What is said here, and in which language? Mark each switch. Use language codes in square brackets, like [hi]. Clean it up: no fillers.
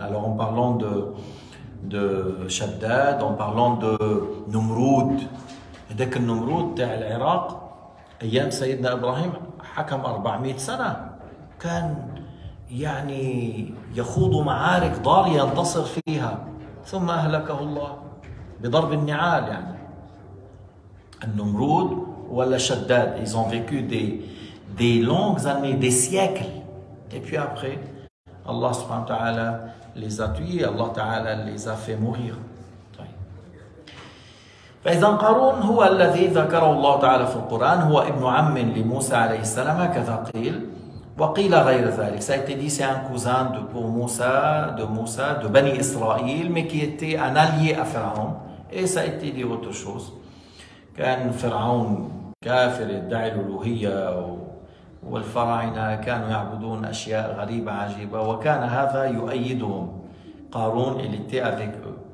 [fr] Alors en parlant de Shaddad, en parlant de Nimrud, [ar] هذاك النمرود تاع العراق أيام سيدنا إبراهيم حكم 400 سنة، كان يعني يخوض معارك ضارية ينتصر فيها، ثم أهلكه الله بضرب النعال. يعني النمرود ولا شداد، [fr] ils ont vécu des longues années, des siècles. Et puis après, Allah subhanahu wa ta'ala les a tués, Allah ta'ala les a fait mourir. [ar] فإذا قارون هو الذي ذكره الله تعالى في القرآن هو ابن عم لموسى عليه السلام كذا قيل وقيل غير ذلك. [fr] Ça a été dit c'est un cousin de Moussa, de Bani Israël, mais qui était un allié à Pharaon. Et ça a été dit autre chose. [ar] كان فرعون كافر يدعي الألوهية والفراعنة كانوا يعبدون أشياء غريبة عجيبة وكان هذا يؤيدهم قارون اللي تي افيك او.